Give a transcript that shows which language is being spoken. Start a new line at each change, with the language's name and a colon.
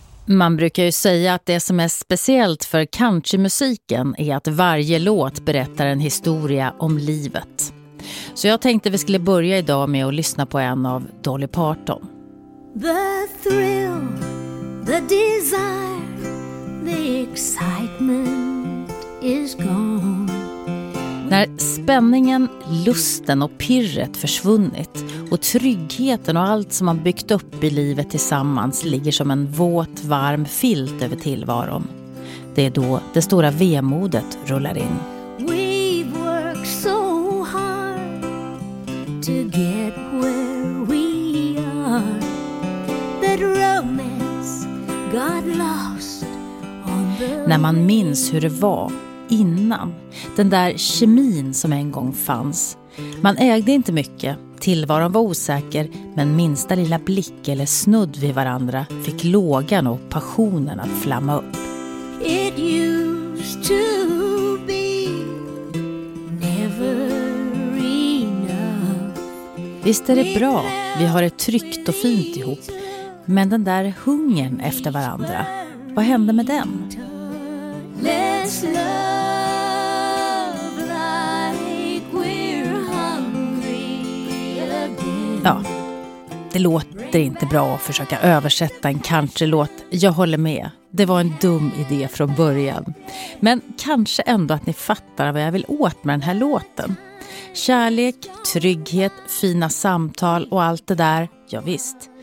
Swedish: Man brukar ju säga att det som är speciellt för countrymusiken är att varje låt berättar en historia om livet. Så jag tänkte vi skulle börja idag med att lyssna på en av Dolly Parton.
English: The thrill, the desire, the excitement is gone.
Swedish: När spänningen, lusten och pirret försvunnit och tryggheten och allt som man byggt upp i livet tillsammans ligger som en våt, varm filt över tillvaron. Det är då det stora vemodet rullar in.
English: We've worked so hard to get where we are. That romance got lost on the...
Swedish: När man minns hur det var innan, den där kemin som en gång fanns. Man ägde inte mycket, tillvaron var osäker, men minsta lilla blick eller snudd vid varandra fick lågan och passionen att flamma upp.
English: It used to be never enough.
Swedish: Visst är det bra, vi har det tryggt och fint ihop, men den där hungern efter varandra, vad hände med den?
English: Let's love like we're hungry again.
Swedish: Ja, det låter inte bra att försöka översätta en countrylåt. Jag håller med, det var en dum idé från början. Men kanske ändå att ni fattar vad jag vill åt med den här låten. Kärlek, trygghet, fina samtal och allt det där, ja visst.